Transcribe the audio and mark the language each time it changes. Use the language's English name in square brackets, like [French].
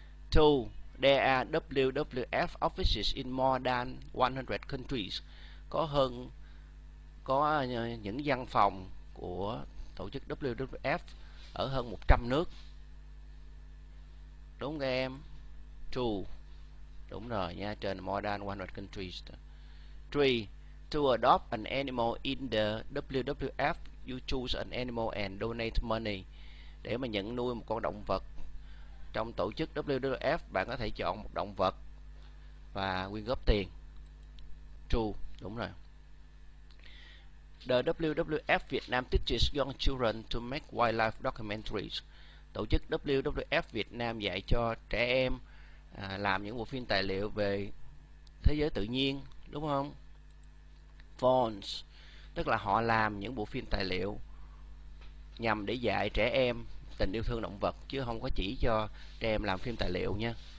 [English] Two, there are WWF offices in more than 100 countries. [Vietnamese] Có những văn phòng của tổ chức WWF ở hơn 100 nước. Đúng không em? True. Đúng rồi nha, trên [English] more than 100 countries. Three, to adopt an animal in the WWF, you choose an animal and donate money. [Vietnamese] Để mà nhận nuôi một con động vật trong tổ chức WWF, bạn có thể chọn một động vật và quyên góp tiền. True, đúng rồi. [English] The WWF Vietnam teaches young children to make wildlife documentaries. [Vietnamese] Tổ chức WWF Việt Nam dạy cho trẻ em làm những bộ phim tài liệu về thế giới tự nhiên, đúng không? Fawns, tức là họ làm những bộ phim tài liệu nhằm để dạy trẻ em tình yêu thương động vật, chứ không có chỉ cho trẻ em làm phim tài liệu nha.